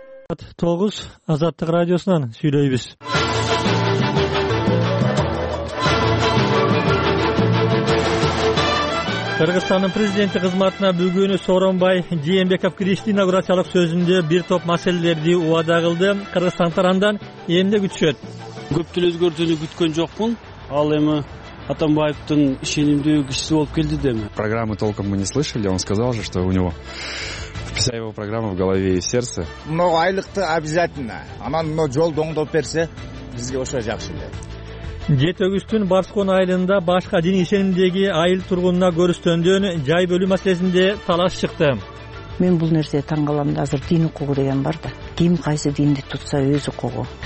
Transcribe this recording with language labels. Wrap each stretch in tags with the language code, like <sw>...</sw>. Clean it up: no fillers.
<ky>Ат 9 Азаттык радиосунан сүйлөйбүз. Кыргызстандын президенти кызматына бүгүнү Сооронбай Жээнбеков киришти. Инаугурациялык сөзүндө бир топ маселелерди убада кылды. Кыргызстан тарандан эмне күтүшөт? Көптүн өзгөртүүнү күткөн жокмун. Ал эми Атамбаевдин ишенимдүү кишиси болуп келди дейм.</ky> <ru>Программы толком мы не слышали. Он сказал же, что у него вся его программа в голове и в сердце. Но айлыкты обязательно.</ru> <ky>Анан но жолду оңдоп берсе бизге ошо жакшы эле. Жетөгүстүн Барскон айылында башка диний ишенимдеги айыл тургунуна көрүстөндөн жай бөлүү маселесинде талаш чыкты. Мен бул нерсеге таң калам да, азыр дин укугу деген бар да. Ким кайсы динди тутса өз укугу.</ky>